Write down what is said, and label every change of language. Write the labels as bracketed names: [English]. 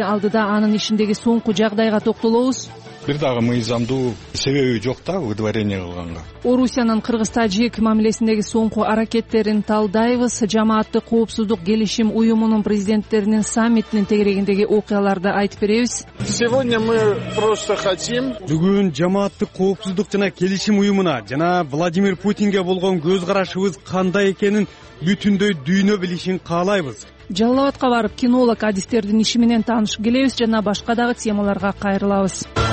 [Kyrgyz] Алдыда анын ишиндеги соңку жагдайга токтолобуз. Бир дагы мыйзамдуу себеби жок да выдворение кылганга. Орусиянын Кыргыз Тажик мамилесиндеги соңку аракеттерин талдайбыз. Жамааттык коопсуздук келишим уюмунун президенттеринин саммитинин тегерегиндеги окуяларды айтып беребиз. [Russian] Сегодня мы просто хотим. [Kyrgyz] Бүгүн жамааттык коопсуздук жана келишим уюмуна жана Владимир Путинге болгон көз карашыбыз кандай экенин бүтүндөй дүйнө билишин каалайбыз. Жалалабадка барып кинолог адистердин иши менен таанышып келебиз жана башка дагы темаларга кайрылабыз.